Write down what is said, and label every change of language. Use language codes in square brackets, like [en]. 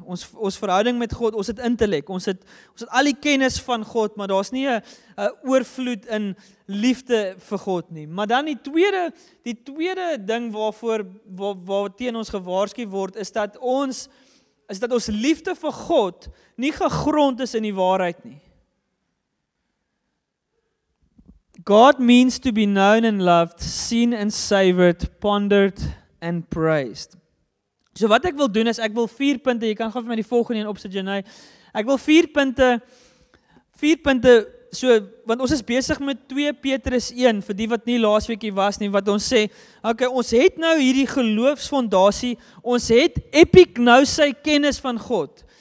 [af] Ons verhouding met God, ons het intellek, ons het al die kennis van God, maar daar's nie 'n oorvloed in liefde vir God nie. Maar dan die tweede ding waarvoor teen ons gewaarsku word, is dat ons liefde vir God nie gegrond is in die waarheid nie. [en] God means to be known and loved, seen and savored, pondered and praised. [af] So wat ek wil doen is, ek wil 4 punte, jy kan gaan vir my die volgende een opsit, Janai. Ek wil 4 punte, so, want ons is besig met 2 Petrus 1, vir die wat nie laas weekie was nie, wat ons sê, ok, ons het nou hierdie geloofsfondasie, ons het epic nou sy kennis van God.